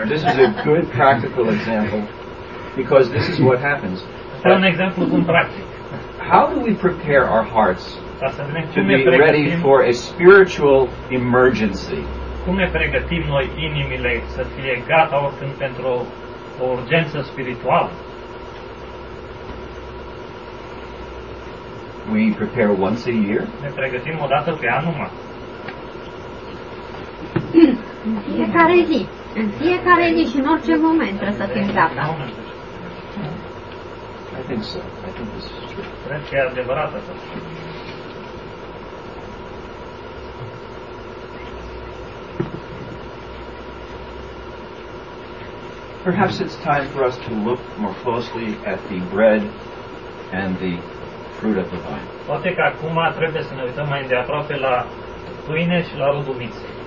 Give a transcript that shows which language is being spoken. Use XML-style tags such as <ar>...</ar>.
<en>This is a good practical example, because this is what happens.</en> <ro>Un exemplu bun practic.</ro> <en>How do we prepare our hearts to be ready for a spiritual emergency?</en> <ro>Cum ne pregătim noi inimile să fie gata oricând pentru o urgență spirituală?</ro> <en>We prepare once a year.</en> <ro>Ne pregătim o dată pe an numai. În fiecare zi, în fiecare zi și în orice moment trebuie să fim gata.</ro> <en>I think so. I think this is true.</en> <ro>Cred că e adevărat asta.</ro> <en>Perhaps it's time for us to look more closely at the bread and the fruit of the vine.</en> <ro>Poate că acum trebuie să ne uităm mai îndeaproape la pâine și la rugămiță.</ro>